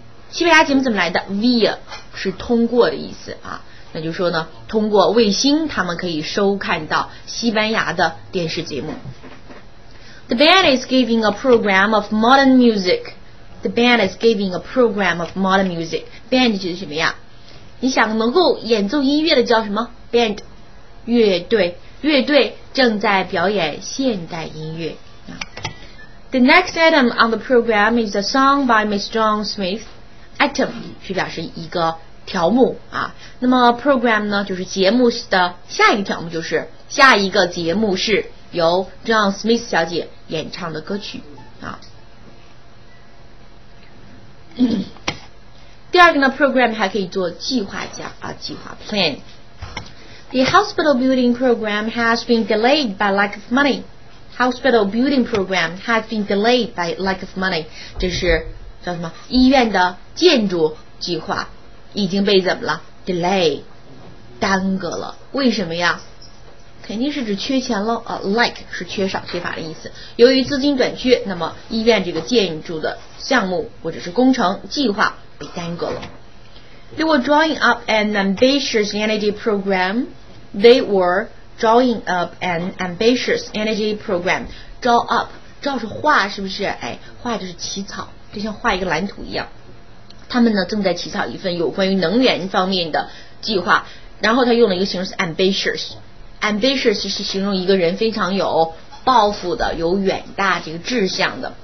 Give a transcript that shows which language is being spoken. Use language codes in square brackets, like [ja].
[zh] 西班牙节目怎么来的 ？Via 是通过的意思啊。那就说呢，通过卫星，他们可以收看到西班牙的电视节目。 [en] The band is giving a program of modern music. The band is giving a program of modern music. [zh] Band 就是什么呀？你想能够演奏音乐的叫什么 ？Band， 乐队。乐队正在表演现代音乐。 [en] The next item on the program is a song by Miss John Smith. [zh] Item 是表示一个条目啊。那么 program 呢，就是节目的下一个条目，就是下一个节目是由 John Smith 小姐演唱的歌曲啊。第二个呢 ，program 还可以做计划加啊，计划 plan。 [en] The hospital building program has been delayed by lack of money. Hospital building program has been delayed by lack of money. [zh] 这是叫什么？医院的建筑计划已经被怎么了 ？Delay， 耽搁了。为什么呀？肯定是指缺钱了。Lack 是缺少、缺乏的意思。由于资金短缺，那么医院这个建筑的项目或者是工程计划被耽搁了。 [en] They were drawing up an ambitious energy program. They were drawing up an ambitious energy program. [zh] Draw up, draw 是画，是不是？哎，画就是起草，就像画一个蓝图一样。他们呢正在起草一份有关于能源方面的计划。然后他用了一个形容词 ambitious. Ambitious 是形容一个人非常有抱负的，有远大这个志向的。